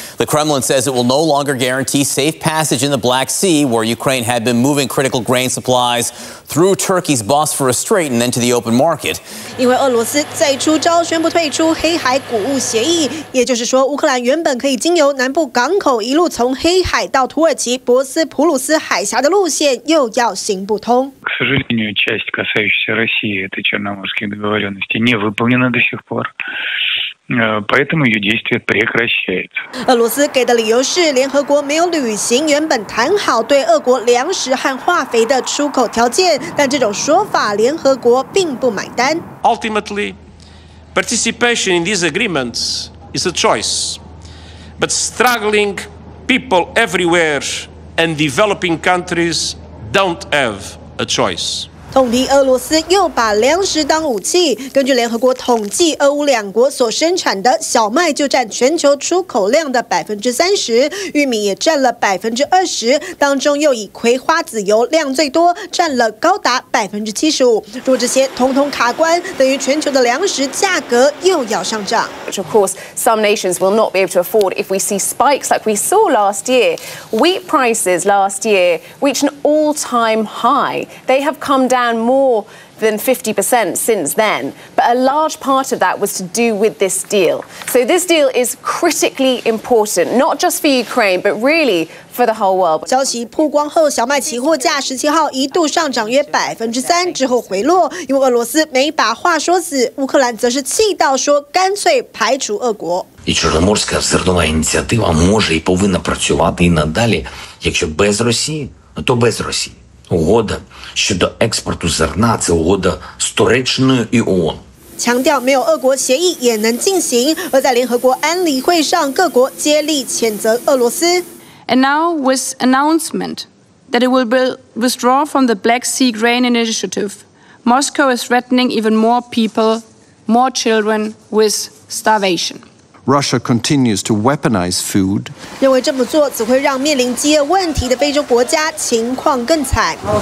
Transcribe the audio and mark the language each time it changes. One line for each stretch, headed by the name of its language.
English: The Kremlin says it will no longer guarantee safe passage in the Black Sea, where Ukraine had been moving critical grain supplies through Turkey's Bosphorus Strait and then to the open market.
Chinese: 因为俄罗斯再出招，宣布退出黑海谷物协议，也就是说，乌克兰原本可以经由南部港口一路从黑海到土耳其博斯普鲁斯海峡的路线又要行不通。
Russian: К сожалению, часть, касающаяся России, это Черноморские договоренности, не выполнена до сих пор, поэтому ее действие прекращается.
Chinese: 俄罗斯给的理由是，联合国没有履行原本谈好对俄国粮食和化肥的出口条件，但这种说法联合国并不买单。
English: Ultimately, participation in these agreements is a choice. But struggling people everywhere and developing countries don't have a choice.
Chinese: 痛批俄罗斯又把粮食当武器。根据联合国统计，俄乌两国所生产的小麦就占全球出口量的30%，玉米也占了20%，当中又以葵花籽油量最多，占了高达75%。若这些统统卡关，等于全球的粮食价格又要上涨。
English: Which of course some nations will not be able to afford if we see spikes like we saw last year. Wheat prices last year reached an all-time high. They have come down more than 50% since then. But a large part of that was to do with this deal. So this deal is critically important, not just for Ukraine, but really for the whole world.
Chinese: 消息曝光后，小麦期货价17号一度上涨约3%，之后回落。因为俄罗斯没把话说死，乌克兰则是气到说干脆排除俄国。
Ukrainian: І Чорноморська зернова ініціатива може і повинна працювати і надалі, якщо без Росії, то без Росії. Угода щодо експорту зерна – це угода з Туреччиною і ООН.
Chinese: 强调没有俄国协议也能进行，而在联合国安理会上，各国接力谴责俄罗斯。
English: And now with announcement that it will withdraw from the Black Sea Grain Initiative, Moscow is threatening even more people, more children with starvation. Russia continues to weaponize food.
Chinese: 认为这么做只会让面临饥饿问题的非洲国家情况更惨。